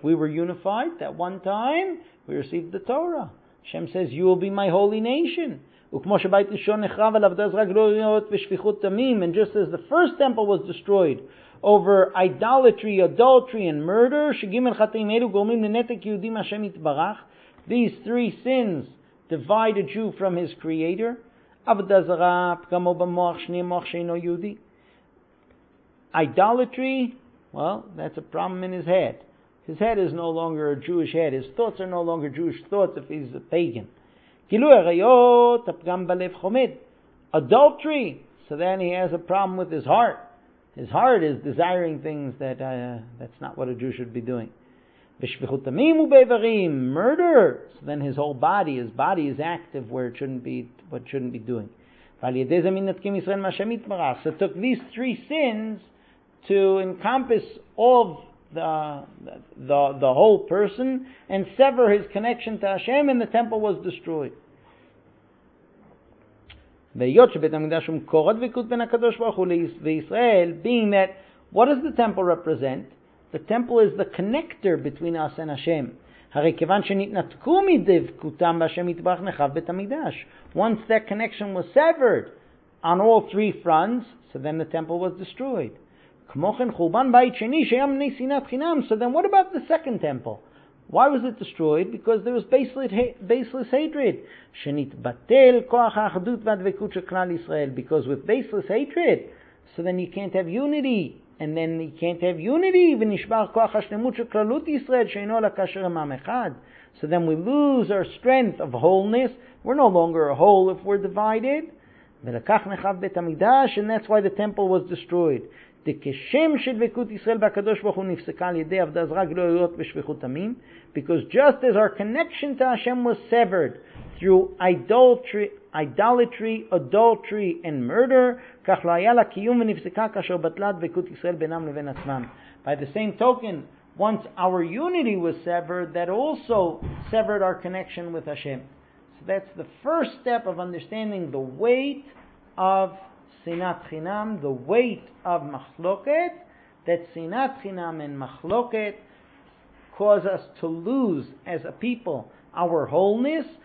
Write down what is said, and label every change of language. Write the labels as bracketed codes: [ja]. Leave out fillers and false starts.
[en] We were unified that one time, we received the Torah. Hashem says, you will be my holy nation. [he] וכמו שבית ראשון נחרב על עבודה זרה גלויות ושפיכות דמים, [en] and just as the first temple was destroyed, over idolatry, adultery, and murder, [he] שגימל חטאים אלו גורמים לנתק יהודי מהשם יתברך, [en] these three sins divide a Jew from his creator, [he] עבודה זרה, פגמו במוח, שני מוח שאינו יהודי. [en] Idolatry, well, that's a problem in his head. His head is no longer a Jewish head. His thoughts are no longer Jewish thoughts if he's a pagan. [he] גילוי עריות, הפגם בלב חומד. [en] Adultery, so then he has a problem with his heart. His heart is desiring things that that's not what a Jew should be doing. [he] ושפיכות דמים ובאיברים, [en] murder. So then his body is active where it shouldn't be doing. [he] ועל ידי זה מנתקים ישראל מהשם יתברך. [en] So it took these three sins to encompass all of the whole person and sever his connection to Hashem, and the temple was destroyed. [he] והיות שבית המקדש הוא מקור הדבקות בין הקדוש ברוך הוא לישראל, [en] being that, what does the temple represent? The temple is the connector between us and Hashem. [he] הרי כיוון שנתנתקו מדבקותם בהשם יתברך נחרב בית המקדש. [en] Once that connection was severed on all three fronts, so then the temple was destroyed. [he] כמו כן חורבן בית שני שהיה מני שנאת חינם. [en] So then what about the second temple? Why was it destroyed? Because there was baseless hatred. [he] שנתבטל כוח האחדות והדבקות של כלל ישראל. [en] Because with baseless hatred, so then you can't have unity. And then you can't have unity. [he] ונשבר כוח השלמות של כללות ישראל שאינו אלא כאשר הם עם אחד. [en] So then we lose our strength of wholeness. We're no longer a whole if we're divided. [he] ולקח נחרב בית המקדש, [en] and that's why the temple was destroyed. [he] וכשם שדבקות ישראל והקדוש ברוך הוא נפסקה על ידי עבודה זרה גלויות ושפיכות דמים, [en] because just as our connection to Hashem was severed through idolatry, adultery, and murder, [he] כך לא היה לה קיום ונפסקה כאשר בטלה דבקות ישראל בינם לבין עצמם. [en] By the same token, once our unity was severed, that also severed our connection with Hashem. So that's the first step of understanding the weight of Sinat Chinam, the weight of Machloket, that Sinat Chinam and Machloket cause us to lose, as a people, our wholeness.